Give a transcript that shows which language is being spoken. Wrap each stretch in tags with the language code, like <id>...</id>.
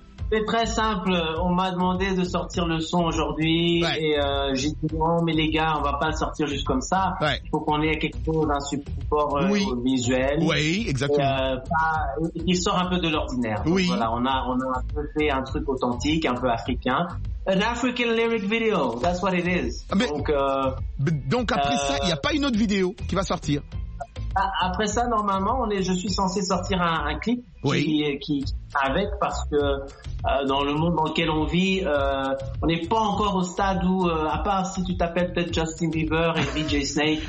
<fr>C'est très simple, on m'a demandé de sortir le son aujourd'hui et j'ai dit non mais les gars on va pas le sortir juste comme ça, il faut qu'on ait quelque chose, un support visuel qui sort un peu de l'ordinaire. Oui. Voilà, on a un peu fait un truc authentique, un peu africain.</fr> <en>An African lyric video, that's what it is.</en> <fr>Mais, donc après ça, il n'y a pas une autre vidéo qui va sortir? Après ça, normalement, je suis censé sortir un clip qui avec, parce que dans le monde dans lequel on vit, on n'est pas encore au stade où, à part si tu t'appelles peut-être Justin Bieber et DJ Snake.</fr>